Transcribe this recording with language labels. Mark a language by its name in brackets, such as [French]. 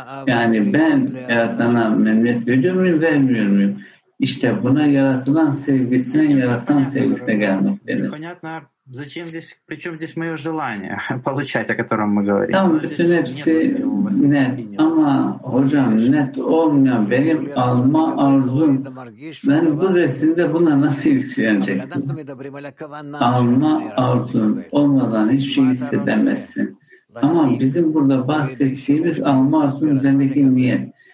[Turkish] Yani ben Yaratan'a memnuniyet veriyor muyum, vermiyor muyum? İşte buna yaratılan sevgisine, Yaratan sevgisine gelmek denir. [Russian] Зачем здесь, причем здесь мое желание получать, о котором мы говорим? [Turkish] Там бütün hepsi net. Ama hocam net olmayan benim alma arzum. Ben bu resimde buna nasıl ilişkilenecektim? Alma arzum olmadan hiçbir şey hissedemezsin. Ama bizim burada bahsettiğimiz alma arzum üzerindeki niyet.